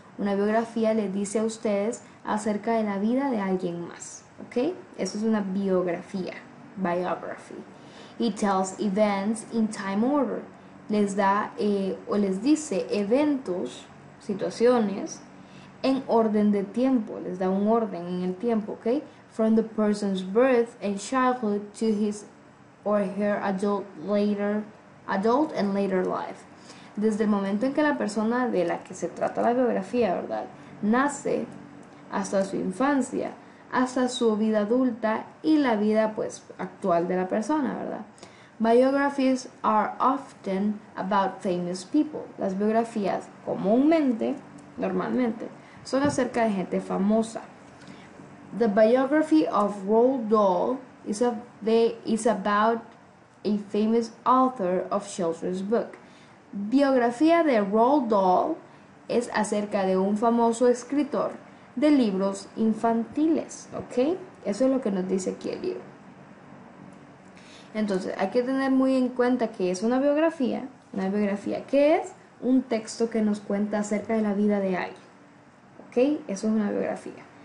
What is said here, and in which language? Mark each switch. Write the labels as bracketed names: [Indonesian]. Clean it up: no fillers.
[Spanish] Una biografía le dice a ustedes acerca de la vida de alguien más. ¿Ok? Eso es una biografía. Biography. [English] It tells events in time order. [Spanish] Les dice eventos, situaciones, en orden de tiempo. Les da un orden en el tiempo. ¿Ok? [English] From the person's birth and childhood to his or her adult and later life. [Spanish] Desde el momento en que la persona de la que se trata la biografía, ¿verdad? Nace hasta su infancia, hasta su vida adulta y la vida, pues, actual de la persona, ¿verdad? [English] Biographies are often about famous people. [Spanish] Las biografías comúnmente, normalmente, son acerca de gente famosa. [English] The biography of Roald Dahl is about a famous author of children's book. [Spanish] Biografía de Roald Dahl es acerca de un famoso escritor de libros infantiles, ¿ok? Eso es lo que nos dice aquí el libro. Entonces, hay que tener muy en cuenta que es una biografía. ¿Una biografía qué es? Un texto que nos cuenta acerca de la vida de alguien, ¿ok? Eso es una biografía.